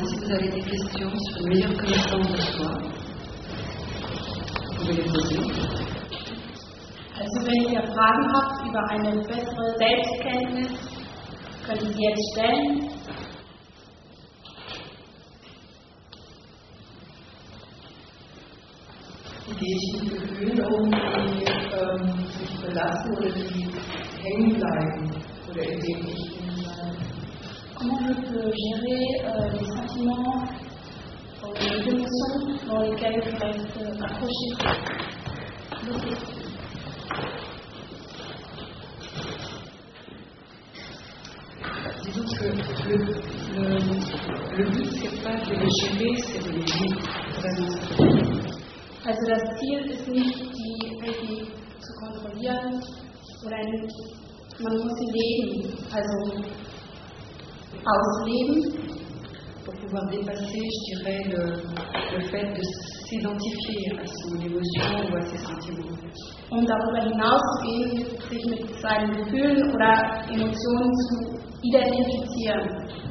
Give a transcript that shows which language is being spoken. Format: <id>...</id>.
<fr>Si vous avez des questions sur une meilleure connaissance de soi, vous pouvez les poser.</fr> <de>Also, wenn ihr Fragen habt über eine bessere Selbstkenntnis, könnt ihr sie jetzt stellen. Wie gehe ich mit Gefühlen um, die sich belasten oder die hängen bleiben? Oder in denen ich in</de> <fr>Comment je peux gérer les sentiments ou les émotions dans lesquelles je reste accroché? Disons que le but, ce n'est pas de les gérer, c'est de les vivre vraiment.</fr> <de>Also, das Ziel ist nicht, die irgendwie zu kontrollieren oder nicht. Man muss sie leben, also ausleben.</de> <fr>Pour pouvoir dépasser, je dirais, le fait de s'identifier à son émotion ou à ses sentiments.</fr> <de>Um darüber hinauszugehen, sich mit seinen Gefühlen oder Emotionen zu identifizieren.</de>